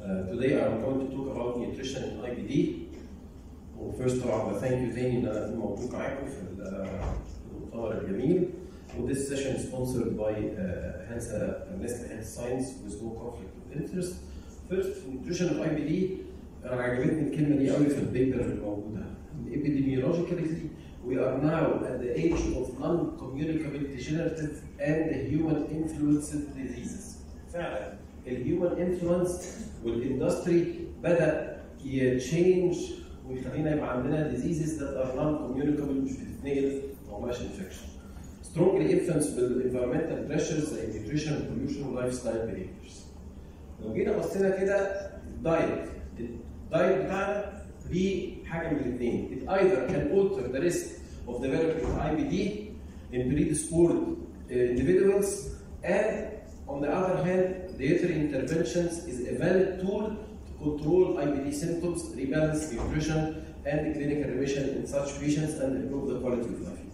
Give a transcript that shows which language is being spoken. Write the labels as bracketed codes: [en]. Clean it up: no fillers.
[en] Today I'm going to talk about nutrition in IBD. Well, first of all, thank you Zain Mawduk Aiko for the Mutawar al-Jameel. Well, this session is sponsored by Hansa Nestle Health Science with no conflict of interest. First, nutrition of IBD. [ar] عجبتني الكلمة دي قوي في البيبر الموجودة. [en] Epidemiologically, we are now at the age of non-communicable degenerative and human influenced diseases. [ar] فعلا. [en] The human influence with industry [ar] بدأ يتشينج ويخلينا يبقى عندنا [en] diseases that are non-communicable, [ar] مش بتتنقل أو مش [en] infection. Strongly influenced with environmental pressures like nutrition, pollution, lifestyle behaviors. [ar] لو جينا بصينا كده diet. الدايت بتاعنا ليه حاجه من الاثنين. [en] It either can alter the risk of developing IBD in predisposed individuals, and on the other hand, dietary interventions is a valid tool to control IBD symptoms, rebalance nutrition, and clinical remission in such patients and improve the quality of life.